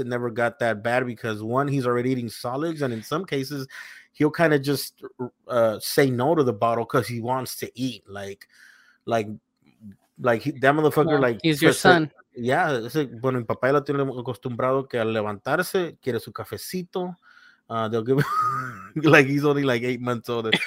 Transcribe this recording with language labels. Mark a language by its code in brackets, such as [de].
[en] It never got that bad because, one, he's already eating solids. And in some cases, he'll kind of just say no to the bottle because he wants to eat. Like he, that motherfucker, well, like, he's your son. [es] Yeah, ese, bueno, mi papá lo tiene acostumbrado que al levantarse quiere su cafecito. [en] They'll give like he's only like 8 months old.